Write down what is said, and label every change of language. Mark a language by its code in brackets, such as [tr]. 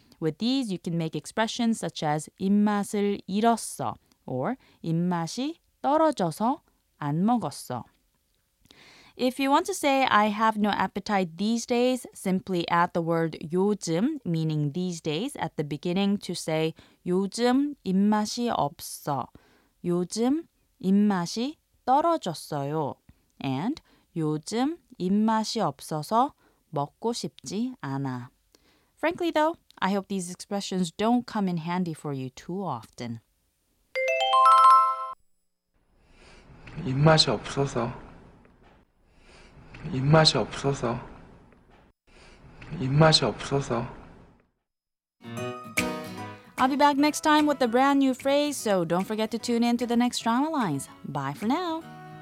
[en] With these, you can make expressions such as [ko] 입맛을 잃었어 [en] or [ko] 입맛이 떨어져서 안 먹었어. [en] If you want to say, I have no appetite these days, simply add the word 요즘, meaning these days, at the beginning to say [ko] 요즘 입맛이 없어. 요즘 입맛이 떨어졌어요. And 요즘 입맛이 없어서 먹고 싶지 않아. [en] Frankly though, I hope these expressions don't come in handy for you too often. [ko] 입맛이 없어서 입맛이 없어서 입맛이 없어서 [en] I'll be back next time with a brand new phrase, so don't forget to tune in to the next Drama Lines. Bye for now!